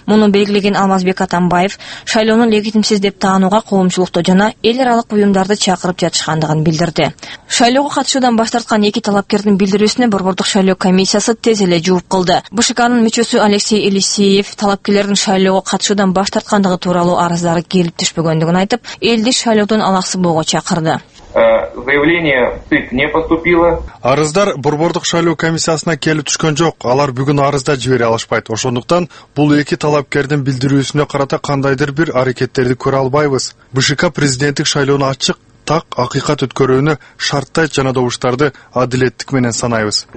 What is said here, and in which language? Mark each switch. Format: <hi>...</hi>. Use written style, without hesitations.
<ky>Муну белгилеген Алмазбек Атамбаев шайлоону легитимсиз деп таанууга коомчулукту жана эл аралык уюмдарды чакырып жатышкандыгын билдирди. Шайлоого катышуудан баш тарткан эки талапкердин билдирүүсүнө борбордук шайлоо комиссиясы тез эле жооп кылды. БШКнын мүчөсү Алексей Елисеев талапкерлердин шайлоого катышуудан баш тарткандыгы тууралуу арыздары келип түшпөгөндүгүн айтып, элди шайлоодон алаксыбоого чакырды.</ky> <ru>Заявление ЦИК не поступило.</ru> <ky>Арыздар борбордук шайлоо комиссиясына келип түшкөн жок. Алар бүгүн арыз да жибере алышпайт. Ошондуктан бул эки талапкердин билдирүүсүнө карата кандайдыр бир аракеттерди көрө албайбыз. БШК президенттик шайлоону ачык, так, акыйкат өткөрүүнү шарттайт жана добуштарды адилеттик менен санайбыз.</ky>